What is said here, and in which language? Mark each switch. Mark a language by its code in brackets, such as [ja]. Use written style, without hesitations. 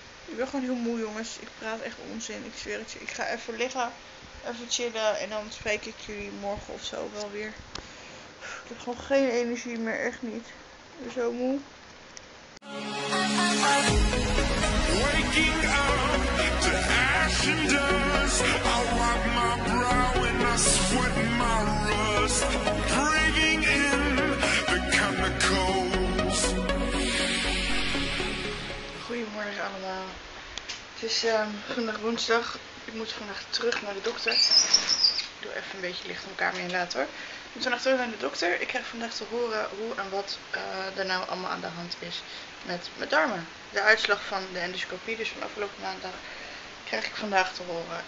[nl] Ik ben gewoon heel moe, jongens. Ik praat echt onzin. Ik zweer het je. Ik ga even liggen. Even chillen. En dan spreek ik jullie morgen of zo wel weer. Ik heb gewoon geen energie meer. Echt niet. Ik ben zo moe. [en] Waking up to ash and dust. I wipe my brow and I sweat my rust. Bringing in the chemicals. [nl] Goedemorgen allemaal. Het is vandaag woensdag. Ik moet vandaag terug naar de dokter. Ik doe even een beetje licht om de kamer in later. Ik moet vandaag terug naar de dokter. Ik krijg vandaag te horen hoe en wat er nou allemaal aan de hand is met mijn darmen. De uitslag van de endoscopie, dus van afgelopen maandag, krijg ik vandaag te horen.